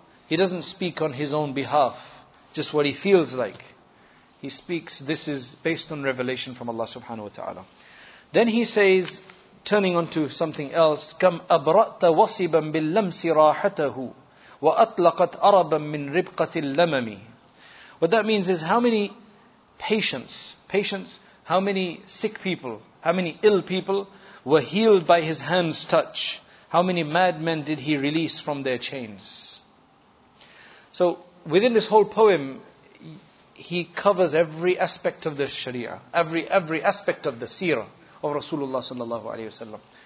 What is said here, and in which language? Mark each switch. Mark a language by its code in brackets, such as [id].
[en] He doesn't speak on his own behalf, just what he feels like. He speaks, this is based on revelation from Allah subhanahu wa ta'ala. [ar] Then he says, turning on to something else, كَمْ أَبْرَأْتَ وَصِبًا بِاللَّمْسِ رَاحَتَهُ وَأَطْلَقَتْ أَرَبًا مِّنْ رِبْقَةِ اللَّمَمِ. [en] What that means is, how many patients, how many sick people, how many ill people were healed by his hand's touch? How many madmen did he release from their chains? So within this whole poem, he covers every aspect of the Sharia, every aspect of the seerah of Rasulullah sallallahu alaihi wasallam.